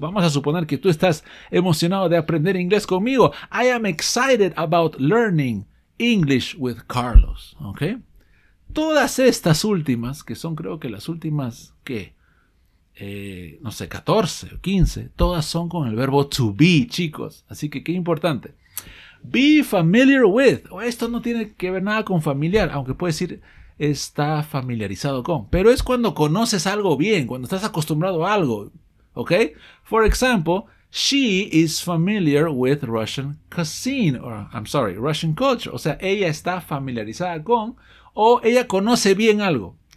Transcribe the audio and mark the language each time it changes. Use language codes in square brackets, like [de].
[es] Vamos a suponer que tú estás emocionado de aprender inglés conmigo. [en] I am excited about learning English with Carlos. ¿Okay? [es] Todas estas últimas, que son creo que las últimas, ¿qué? 14 o 15, todas son con el verbo to be, chicos. Así que qué importante. Be familiar with. Esto no tiene que ver nada con familiar, aunque puedes decir está familiarizado con. Pero es cuando conoces algo bien, cuando estás acostumbrado a algo. ¿Ok? [en] For example, She is familiar with Russian cuisine, or I'm sorry, Russian culture. [es] O sea, ella está familiarizada con, o ella conoce bien algo.